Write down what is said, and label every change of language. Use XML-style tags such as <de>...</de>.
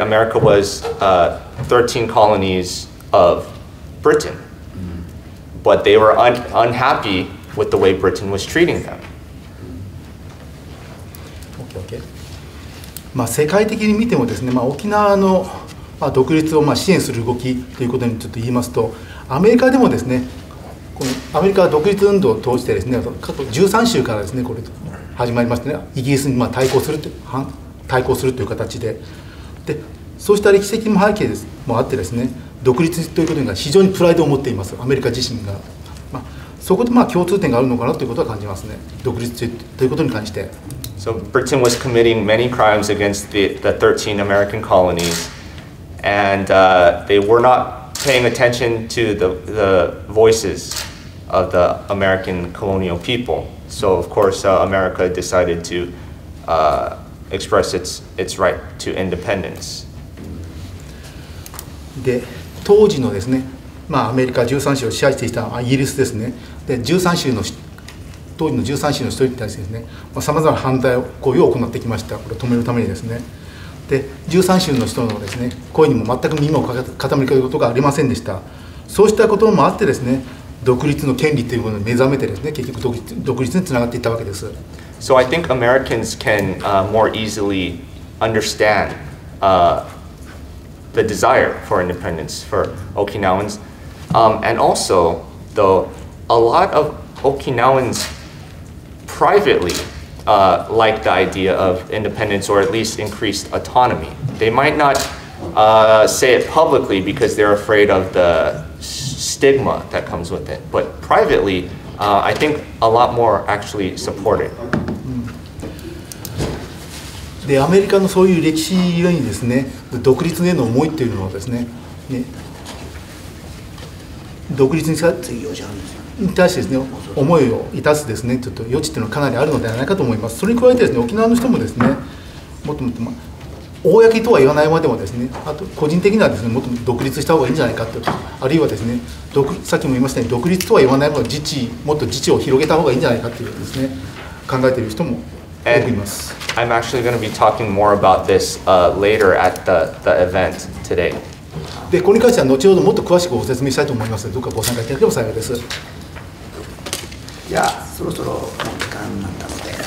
<en>America was 13 colonies of Britain, but they were unhappy with the way Britain was treating them. Okay, okay.</en> <ja>まあ世界的に見てもですね、まあ沖縄の独立をまあ支援する動きということにちょっと言いますと、アメリカでもですね、このアメリカ独立運動を通してですね、過去13州からですね、これ始まりましてね、イギリスにまあ対抗するって対抗するという形で、でそうした歴史的な背景ですもあってですね、独立ということには非常にプライドを持っています、アメリカ自身が。まあ、そこでまあ共通点があるのかなということは感じますね、独立ということに関して。</ja> <en>So Britain was committing many crimes against the 13 American colonies, and they were not paying attention to the voices of the American colonial people. So of course America decided to express its right to independence.</en> <ja>で当時のですね、まあ、アメリカ13州を支配していたイギリスですね、で13州の当時の13州の人に対してですね、まあ、様々な反対行為を行ってきました、これを止めるためにですね、で13州の人のですね、声にも全く耳を傾けることがありませんでした。そうしたこともあってですね、独立の権利というものに目覚めてですね、結局独立につながっていったわけです。</ja> <en>So I think Americans can more easily understand the desire for independence for Okinawans. And also, though, a lot of Okinawans privately like the idea of independence, or at least increased autonomy. They might not say it publicly because they're afraid of the stigma that comes with it. But privately, I think a lot more actually support it.</en> <ja>でアメリカのそういう歴史にですね、独立への思いっていうのはですね、ね独立に対してですね、思いを致すですね、ちょっと余地っていうのはかなりあるのではないかと思います。それに加えてですね、沖縄の人もですね、もっともっと、まあ、公とは言わないまでもですね、あと個人的にはですね、もっと独立した方がいいんじゃないかと、あるいはですね、さっきも言いましたように、独立とは言わないまで自治、もっと自治を広げた方がいいんじゃないかというですね、考えている人も多くいます。</ja> <en>I'm actually going to be talking more about this later at the event today.</en> <ja>で、これに関しては後ほどもっと詳しくご説明したいと思いますので、どうかご参加いただければ幸いです。いや、そろそろ時間になったので。</ja>